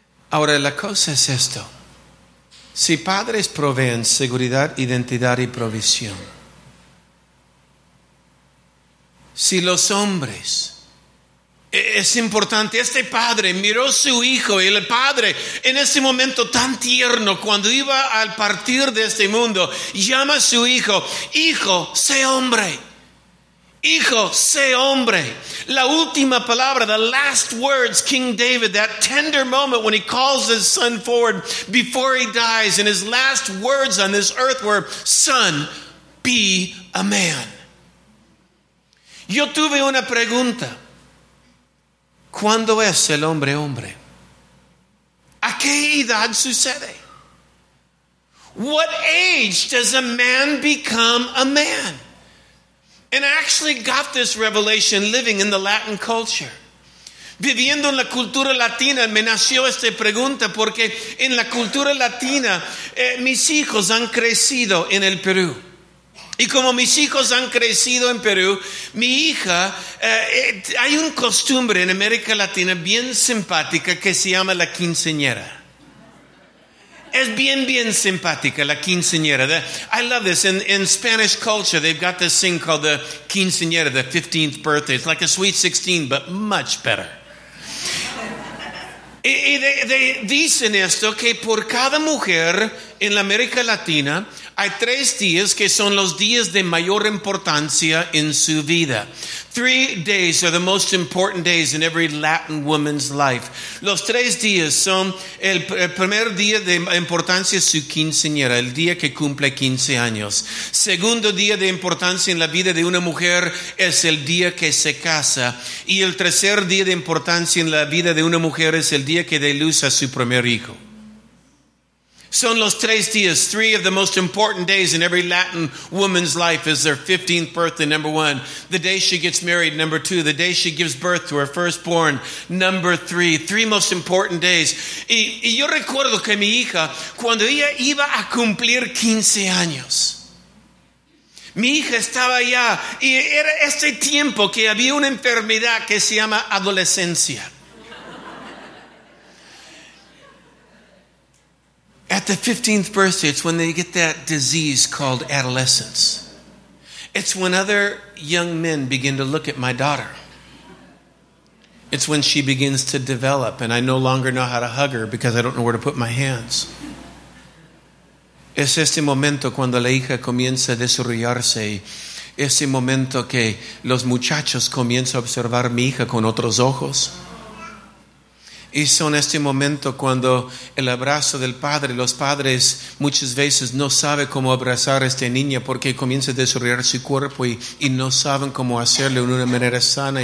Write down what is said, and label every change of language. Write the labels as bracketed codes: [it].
[es] Ahora, la cosa es esto. Si padres proveen seguridad, identidad y provisión, si los hombres, es importante, este padre miró a su hijo y el padre en ese momento tan tierno cuando iba al partir de este mundo, llama a su hijo, hijo, sé hombre, hijo, sé hombre. La última palabra, [en] the last words, King David, that tender moment when he calls his son forward before he dies, and his last words on this earth were, son, be a man. [es] Yo tuve una pregunta. ¿Cuándo es el hombre hombre? ¿A qué edad sucede? [en] What age does a man become a man? And I actually got this revelation living in the Latin culture. [es] Viviendo en la cultura latina, me nació esta pregunta porque en la cultura latina, mis hijos han crecido en el Perú. Y como mis hijos han crecido en Perú, mi hija, hay una costumbre en América Latina bien simpática que se llama la quinceañera. Es bien, bien simpática la quinceañera. [en] I love this. In Spanish culture, they've got this thing called the quinceañera, the 15th birthday. It's like a sweet 16, but much better. [es] Y de dicen esto, que por cada mujer en la América Latina, hay tres días que son los días de mayor importancia en su vida. [en] 3 days are the most important days in every Latin woman's life. [es] Los tres días son el primer día de importancia su quinceañera, el día que cumple 15 años. Segundo día de importancia en la vida de una mujer es el día que se casa. Y el tercer día de importancia en la vida de una mujer es el día que da luz a su primer hijo. Son los tres días, [en] 3 of the most important days in every Latin woman's life is their 15th birthday, number 1. The day she gets married, number 2. The day she gives birth to her firstborn, number 3. 3 most important days. [es] Y yo recuerdo que mi hija, cuando ella iba a cumplir 15 años, mi hija estaba allá y era este tiempo que había una enfermedad que se llama adolescencia. [en] At the 15th birthday, it's when they get that disease called adolescence. It's when other young men begin to look at my daughter. It's when she begins to develop and I no longer know how to hug her because I don't know where to put my hands. [es] Es este momento cuando la hija comienza a desarrollarse. Ese momento que los muchachos comienzan a observar mi hija con otros ojos. Y son este momento cuando el abrazo del padre, los padres muchas veces no saben cómo abrazar a esta niña porque comienza a desarrollar su cuerpo y no saben cómo hacerlo de una manera sana.